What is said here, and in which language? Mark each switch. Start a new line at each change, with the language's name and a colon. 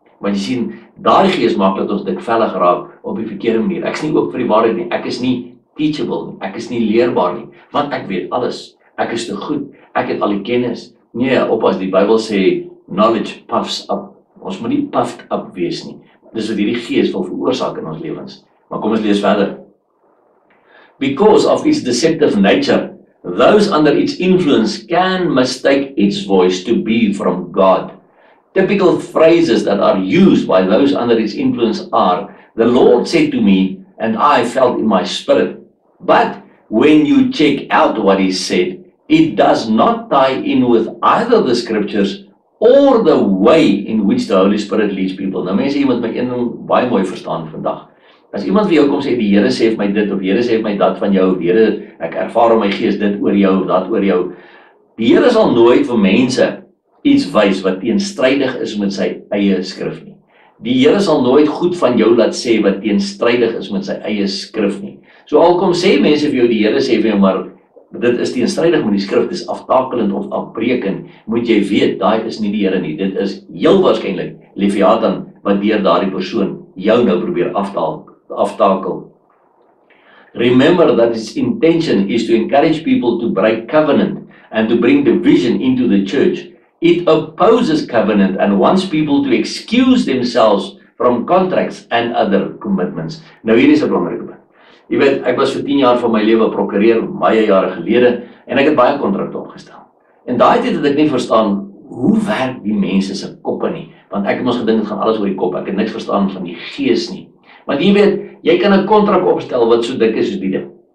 Afrikaans: Want jy sien, daai gees maak dat ons dikvellig raak op die verkeerde manier. Ek is nie oop vir die waarheid nie. Ek is nie teachable nie. Ek is nie leerbaar nie, want ek weet alles. Ek is te goed. Ek het al die kennis. Nee, oppas, die Bybel sê
English: knowledge puffs up.
Afrikaans: Ons moet nie
English: puffed up
Afrikaans: wees nie. Dis wat hierdie gees wil veroorsaak in ons lewens. Maar kom ons lees verder.
English: Because of its deceptive nature, those under its influence can mistake its voice to be from God. Typical phrases that are used by those under its influence are, the Lord said to me, and I felt in my spirit. But when you check out what he said, it does not tie in with either the scriptures or the way in which the Holy Spirit leads people.
Afrikaans: Nou mense, jy moet my een ding baie mooi verstaan vandag. As iemand vir jou kom sê, die Here sê vir my dit, of die Here sê vir my dat van jou, of die Here, ek ervaar in my gees dit oor jou, of dat oor jou. Die Here sal nooit vir mense iets wys wat teenstrydig is met sy eie skrif nie. Die Here sal nooit goed van jou laat sê wat teenstrydig is met sy eie skrif nie. So al kom sê mense vir jou, die Here sê vir jou, maar dit is teenstrydig met die skrif, dit is aftakelend of afbrekend, moet jy weet, daai is nie die Here nie. Dit is heel waarskynlik Leviathan wat deur daardie persoon jou nou probeer aftakel.
English: Remember that its intention is to encourage people to break covenant and to bring division into the church. It opposes covenant and wants people to excuse themselves from contracts and other commitments.
Afrikaans: Nou hier is 'n belangrike punt. Jy weet, ek was vir 10 jaar van my lewe prokureur, baie jare gelede, en ek het baie kontrakte opgestel. En daai tyd het ek nie verstaan hoe werk die mense se koppe nie, want ek het mos gedink dit gaan alles oor die kop. Ek het niks verstaan van die gees nie. Want jy weet, jy kan 'n kontrak opstel wat so dik is soos die ding.